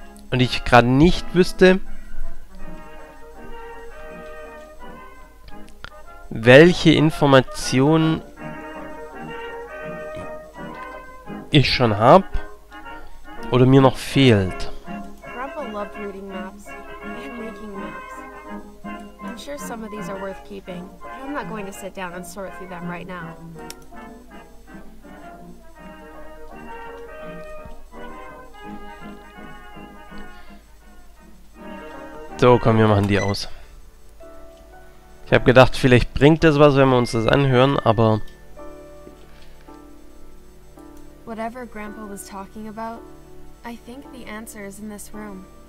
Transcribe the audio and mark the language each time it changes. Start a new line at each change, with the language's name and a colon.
German: Und ich gerade nicht wüsste, welche Informationen ich schon habe oder mir noch fehlt.
English: Grandpa loved reading maps and making maps. I'm sure some of these are worth keeping, but I'm not going to sit down and sort through them right now.
German: So, komm, wir machen die aus. Ich habe gedacht, vielleicht bringt das was, wenn wir uns das anhören, aber...
English: Whatever Grandpa was talking about, I think the answer is in this room.